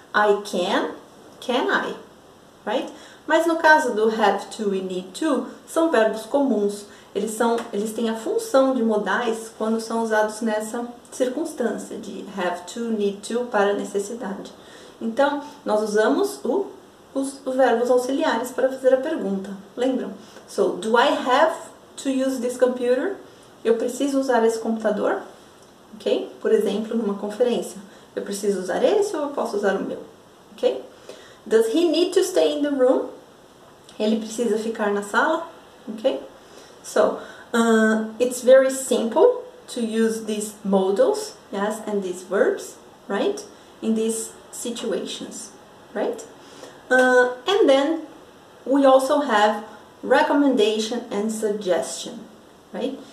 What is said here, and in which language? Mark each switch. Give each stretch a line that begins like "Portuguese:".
Portuguese: I can I, right? Mas no caso do have to e need to, são verbos comuns. Eles têm a função de modais quando são usados nessa circunstância de have to, need to, para necessidade. Então, nós usamos os verbos auxiliares para fazer a pergunta. Lembram?
English: So, do I have to use this computer?
Portuguese: Eu preciso usar esse computador, ok? Por exemplo, numa conferência. Eu preciso usar esse ou eu posso usar o meu, ok?
English: Does he need to stay in the room?
Portuguese: Ele precisa ficar na sala,
English: ok? So, it's very simple to use these modals, yes, and these verbs, right? In these situations, right? And then, we also have recommendation and suggestion, right?